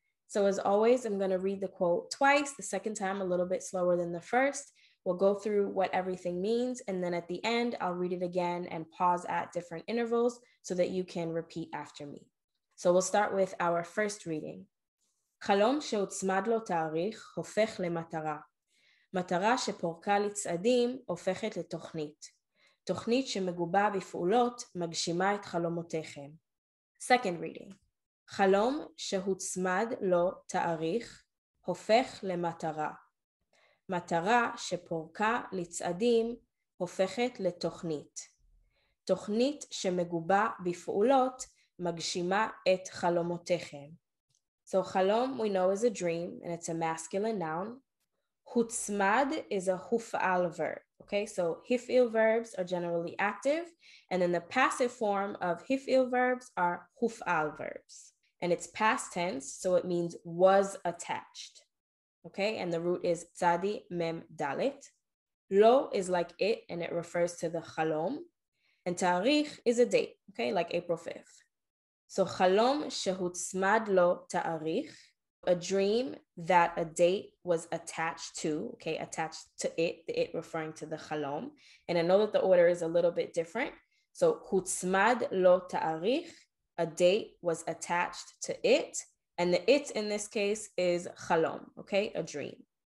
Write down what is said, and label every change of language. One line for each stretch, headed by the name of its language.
English: So as always, I'm going to read the quote twice, the second time a little bit slower than the first. We'll go through what everything means, and then at the end, I'll read it again and pause at different intervals so that you can repeat after me. So we'll start with our first reading.
Hebrew: חלום שהוצמד לו תאריך הופך למטרה. מטרה שפורקה לצעדים הופכת לתוכנית. תוכנית שמגובה בפעולות מגשימה את חלומותיכם.
English: Second reading.
Hebrew: חלום שהוצמד לו תאריך הופך למטרה. מטרה שפורקה לצעדים הופכת לתוכנית. תוכנית שמגובה בפעולות מגשימה את חלומותיכם.
English: So חלום, we know, is a dream, and it's a masculine noun. הוצמד is a הופעל verb. Okay, so הפעיל verbs are generally active, and then the passive form of הפעיל verbs are הופעל verbs. And it's past tense, so it means was attached. Okay, and the root is צדי מם דלת. לא is like it, and it refers to the חלום. And תאריך is a date, okay, like April 5th.
Hebrew: So חלום שהוצמד לו תאריך,
English: a dream that a date was attached to, okay, attached to it, the it referring to the חלום. And I know that the order is a little bit different. So הוצמד לו תאריך, a date was attached to it. And the it in this case is חלום, okay, a dream.